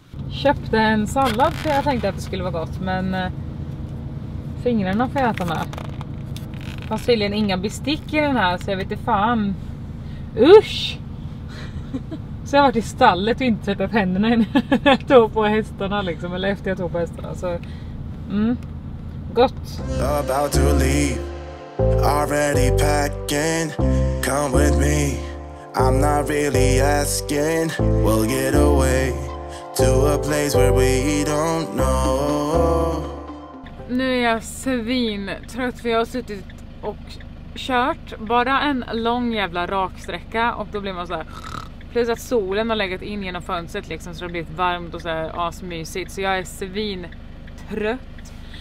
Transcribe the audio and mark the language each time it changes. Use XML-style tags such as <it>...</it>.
<sv>Köpte en sallad för jag tänkte att det skulle vara gott, men fingrarna får jag äta med. Fast tydligen inga bestick i den här, så jag vet inte fan. Usch! Så jag har varit i stallet och inte tvättat händerna innan jag tog på hästarna liksom, eller efter jag tog på hästarna. Så, gott.</sv> <en>About to leave. Already packing, come with me. I'm not really asking. We'll get away to a place where we don't know.</en> <sv>Nu är jag svin trött, för jag har suttit och kört bara en lång jävla raksträcka och då blir man så här. Plus att solen har legat in genom fönstret liksom, så det har blivit varmt och så här asmysigt. Så jag är svintrött.</sv>